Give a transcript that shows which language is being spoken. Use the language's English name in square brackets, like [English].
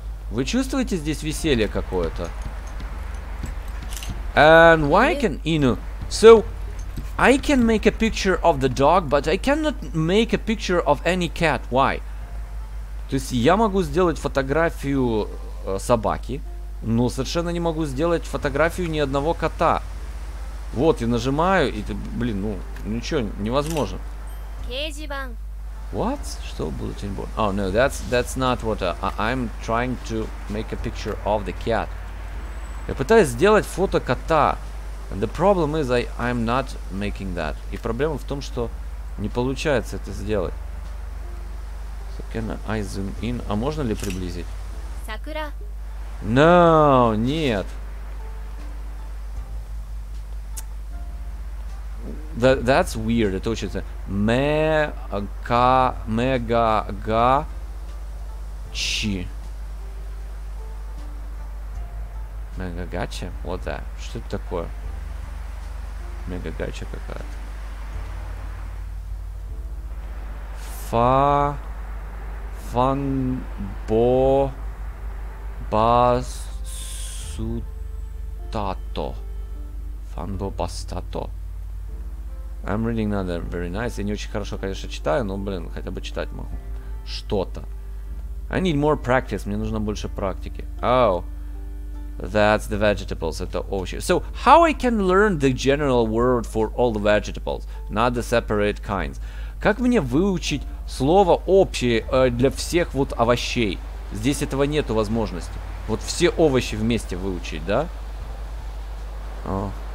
[Russian] Вы чувствуете здесь веселье какое-то? [English] And why can Inu? So, I can make a picture of the dog, but I cannot make a picture of any cat. Why? [Russian] То есть я могу сделать фотографию собаки, но совершенно не могу сделать фотографию ни одного кота. Вот, я нажимаю, и ты, блин, ну, ничего, невозможно. [Japanese] Кейзибан. [English] What? Что bulletin board? Oh no, that's not what I'm trying to make a picture of the cat. [Russian] Я пытаюсь сделать фото кота. [English] And the problem is I'm not making that. [Russian] И проблема в том, что не получается это сделать. [English] So can I zoom in? [Russian] А можно ли приблизить? [Japanese] Сакура. [English] No, нет. That's weird. [Russian] Это учится. [English] Мега мега га чи. [Russian] Мега гача? Вот да. Что это такое? Мега гача какая-то. Фа фан бо басутато. Фан бо бастато. [English] I'm reading not very nice. [Russian] Я не очень хорошо, конечно, читаю, но, блин, хотя бы читать могу. [English] Что-то. I need more practice. [Russian] Мне нужно больше практики. [English] Oh, that's the vegetables. [Russian] Это овощи. [English] So, how I can learn the general word for all the vegetables, not the separate kinds? [Russian] Как мне выучить слово общее для всех вот овощей? Здесь этого нету возможности. Вот все овощи вместе выучить, да? Oh.